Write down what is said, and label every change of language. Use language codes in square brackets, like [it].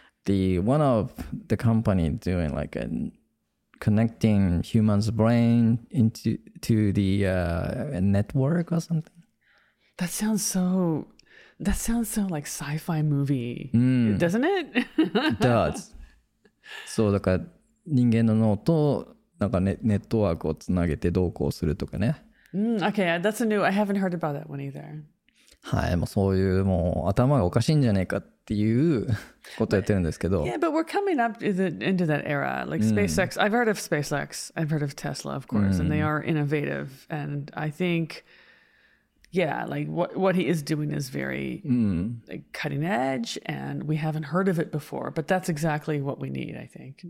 [en] The one of the company doing like connecting human's brain into the network or something. That sounds so like sci-fi movie, doesn't it? It does. [ja] そうだから人間の脳となんかネットワークをつなげてどうこうするとかね。 [en] Okay, that's a new. I haven't heard about that one either. [ja] はい、もうそういうもう頭がおかしいんじゃないかっていうことをやってるんですけど。 [en] But, yeah, but we're coming up into that era, like SpaceX. I've heard of SpaceX. I've heard of Tesla, of course, and they are innovative. And I think. Yeah, like what he is doing is very cutting edge, and we haven't heard of it before, but that's exactly what we need, I think.